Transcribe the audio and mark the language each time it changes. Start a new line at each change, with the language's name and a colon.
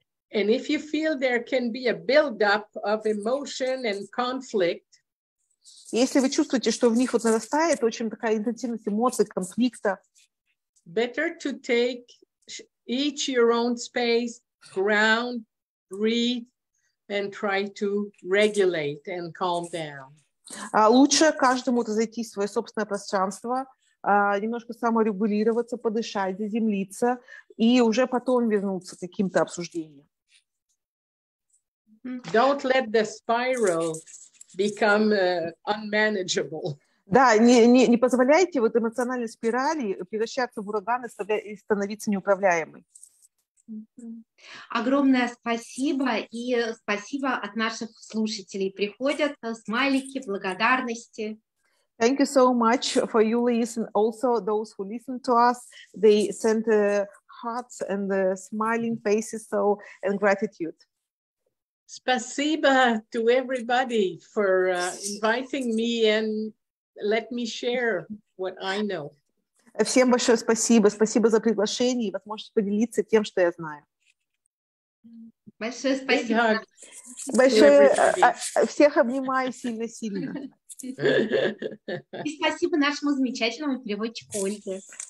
English: And if you feel there can be a build-up of emotion and conflict,
Russian: если вы чувствуете, что в них вот нарастает очень такая интенсивность эмоций, конфликта,
English: better to take each your own space, ground, breathe, and try to regulate and calm down.
Russian: Лучше каждому зайти в свое собственное пространство, немножко саморегулироваться, подышать, заземлиться, и уже потом вернуться к каким-то обсуждениям.
English: Don't let the spiral become unmanageable.
Russian: Да, не позволяйте вот эмоциональной спирали превращаться в ураган и становиться неуправляемой. Огромное спасибо, и спасибо от наших слушателей. Приходят смайлики, благодарности.
English: Thank you so much for you, Louise, and also those who listen to us. They sent hearts and smiling faces, so, and gratitude.
Russian: Спасибо
English: to everybody for inviting me and let me share what I know.
Russian: Всем большое спасибо. Спасибо за приглашение и возможность поделиться тем, что я знаю. Большое спасибо. Большое, всех обнимаю сильно-сильно. И спасибо нашему замечательному переводчику Ольге.